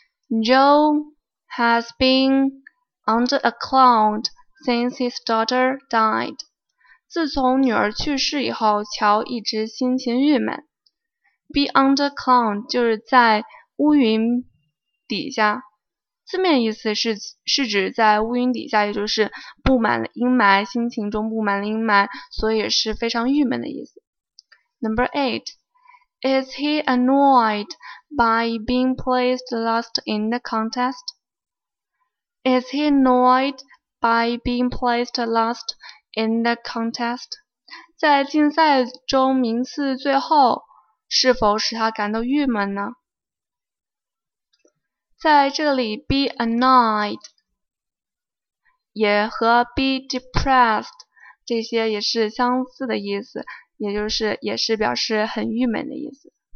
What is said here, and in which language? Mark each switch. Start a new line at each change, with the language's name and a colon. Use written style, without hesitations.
English: Joe has been under a cloud since his daughter died.
Chinese: 自从女儿去世以后，乔一直心情郁闷。 Be under cloud 就是在乌云底下，字面意思是指在乌云底下，也就是布满了阴霾，心情中布满了阴霾，所以是非常郁闷的意思。
English: Number eight, is he annoyed by being placed last in the contest? Is he annoyed by being placed last in the contest?
Chinese: 在竞赛中名次最后，是否使他感到郁闷呢？在这里 be annoyed 也和 be depressed 这些也是相似的意思，也就是也是表示很郁闷的意思。